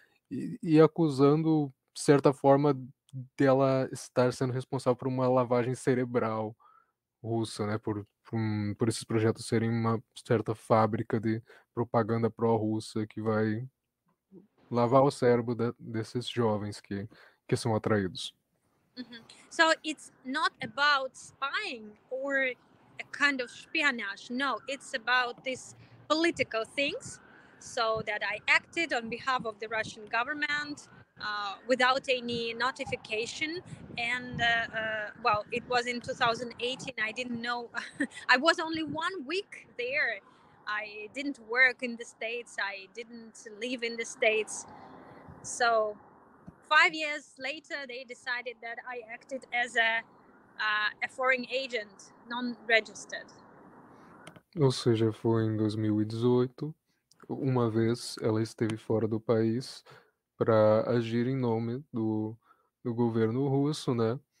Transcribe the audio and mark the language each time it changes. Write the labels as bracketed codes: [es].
[pt] e acusando, de certa forma, dela estar sendo responsável por uma lavagem cerebral russa, né, por esses projetos serem uma certa fábrica de propaganda pró-russa que vai lavar o cérebro desses jovens que são atraídos. [en] So it's not about spying or a kind of espionage. No, it's about these political things. So that I acted on behalf of the Russian government without any notification. And it was in 2018. I didn't know. I was only 1 week there. I didn't work in the States. I didn't live in the States. So 5 years later, they decided that I acted as a foreign agent, non-registered. [pt] Ou seja, foi em 2018, uma vez ela esteve fora do país para agir em nome do governo russo, né?